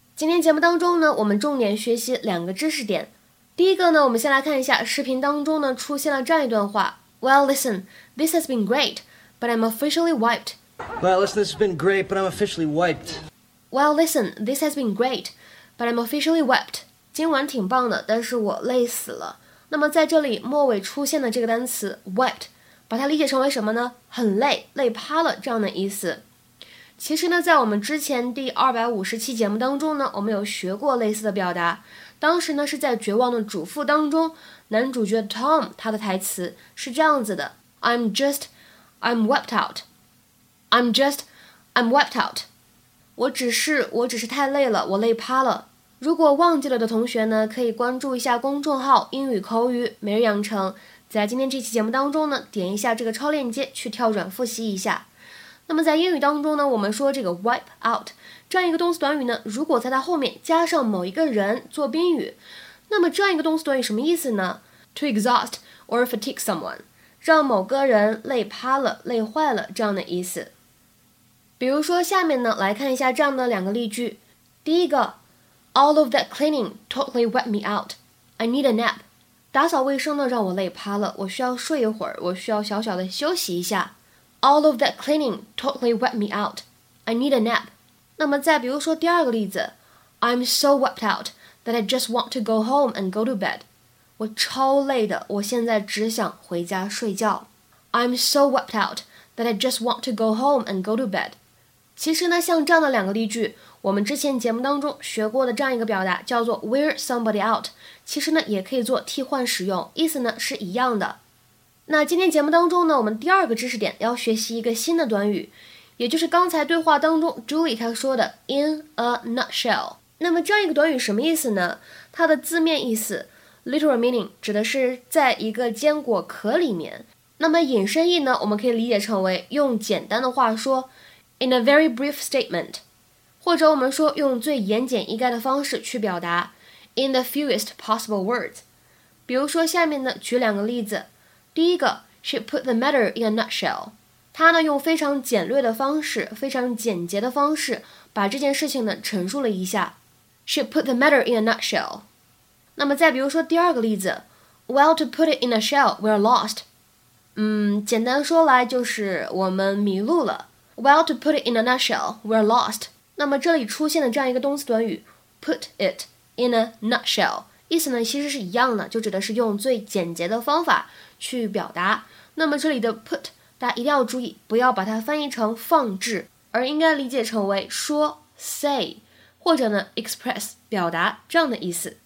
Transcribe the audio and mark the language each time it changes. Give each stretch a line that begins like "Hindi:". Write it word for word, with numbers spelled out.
Chinese: 今天节目当中呢，我们重点学习两个知识点。第一个呢，我们先来看一下视频当中呢出现了这样一段话。
English: Well, listen, this has been great, but I'm officially wiped. Well, listen, this has been great, but I'm officially wiped. Well, listen, this has been great, but I'm officially wiped.
Chinese: 今晚挺棒的，但是我累死了。那么在这里末尾出现的这个单词 wiped， 把它理解成为什么呢？很累，累趴了这样的意思。其实呢，在我们之前第二百五十期节目当中呢，我们有学过类似的表达。当时呢是在《绝望的主妇》当中，男主角 Tom 他的台词是这样子的 ：
English: I'm just, I'm wiped out. I'm just, I'm wiped out.
Chinese: 我只是，我只是太累了，我累趴了。如果忘记了的同学呢，可以关注一下公众号英语口语每日养成，在今天这期节目当中呢，点一下这个超链接去跳转复习一下。那么在英语当中呢，我们说这个 wipe out 这样一个动词短语呢，如果在它后面加上某一个人做宾语，那么这样一个动词短语什么意思呢？
English: To exhaust or fatigue someone，
Chinese: 让某个人累趴了，累坏了这样的意思。比如说下面呢来看一下这样的两个例句。第一个
English: All of that cleaning totally wiped me out. I need a nap.
Chinese: 打扫卫生呢让我累趴了，我需要睡一会儿，我需要小小的休息一下。
English: All of that cleaning totally wiped me out. I need a nap.
Chinese: 那么再比如说第二个例子
English: I'm so wiped out that I just want to go home and go to bed.
Chinese: 我超累的，我现在只想回家睡觉。
English: I'm so wiped out that I just want to go home and go to bed.
Chinese: 其实呢，像这样的两个例句，我们之前节目当中学过的这样一个表达叫做
English: wear somebody out，
Chinese: 其实呢也可以做替换使用，意思呢是一样的。那今天节目当中呢，我们第二个知识点要学习一个新的短语，也就是刚才对话当中 Julie 她说的
English: in a nutshell。
Chinese: 那么这样一个短语什么意思呢？它的字面意思 literal meaning 指的是在一个坚果壳里面，那么引申义呢，我们可以理解成为用简单的话说
English: in a very brief statement，
Chinese: 或者我们说用最言简意赅的方式去表达
English: in the fewest possible words。
Chinese: 比如说下面呢举两个例子。第一个
English: She put the matter in a nutshell，
Chinese: 她呢用非常简略的方式，非常简洁的方式把这件事情呢陈述了一下。
English: She put the matter in a nutshell。
Chinese: 那么再比如说第二个例子，
English: Well, to put it in a shell, we're lost。
Chinese: 嗯，简单说来就是我们迷路了。
English: Well, to put it in a nutshell, we're lost。
Chinese: 那么这里出现了这样一个动词短语
English: put it in a nutshell，
Chinese: 意思呢其实是一样的，就指的是用最简洁的方法去表达。那么这里的 put 大家一定要注意，不要把它翻译成放置，而应该理解成为说 say 或者呢 express 表达这样的意思。